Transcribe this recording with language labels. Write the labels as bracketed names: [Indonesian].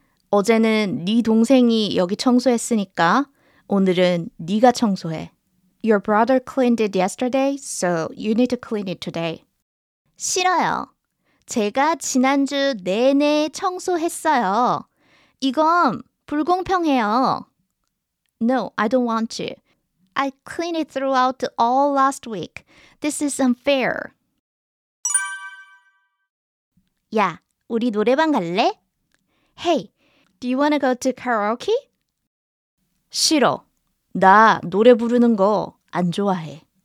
[Korean] 어제는 네 동생이 여기 청소했으니까 오늘은 네가 청소해. [English] Your brother cleaned it yesterday, so you need to clean it today. [Korean] 싫어요. 제가 지난주 내내 청소했어요. 이건 불공평해요. [English] No, I don't want to. I cleaned it throughout all last week. This is unfair. [Korean] 야, 우리 노래방 갈래? [English] Hey, do you want to go to karaoke? [Korean] 싫어. 나 노래 부르는 거 안 좋아해.